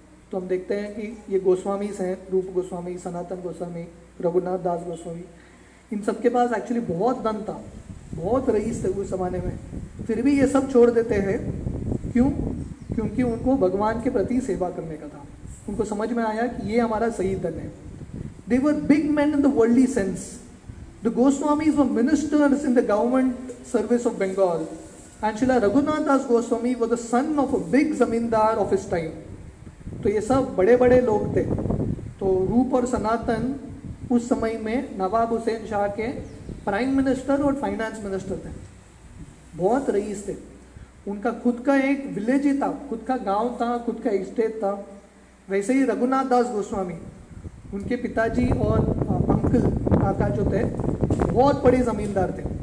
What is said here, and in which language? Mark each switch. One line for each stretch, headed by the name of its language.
Hindi: तो हम देखते हैं कि ये गोस्वामी हैं, रूप गोस्वामी, सनातन गोस्वामी, रघुनाथ दास गोस्वामी, इन सबके पास एक्चुअली बहुत धन था, बहुत रईस थे उस जमाने में, फिर भी ये सब छोड़ देते हैं। क्यों? क्योंकि उनको भगवान के प्रति सेवा करने का था, उनको समझ में आया कि ये हमारा सही धन है।
English: They were big men in the worldly sense. The Goswamis were ministers in the government service of Bengal. And Srila Raghunath Das Goswami was the son of a big zamindar of his time.
Hindi: तो ये सब बड़े बड़े लोग थे. तो रूप और सनातन उस समय में नवाब हुसैन शाह के प्राइम मिनिस्टर और फाइनेंस मिनिस्टर थे. बहुत रईस थे. उनका खुद का एक विलेज ही था, खुद का गांव था, खुद का इस्टेट था. वैसे ही रघुनाथ दास गोस्वामी, उनके पिताजी और अंकल काका जो थे बहुत बड़े ज़मींदार थे.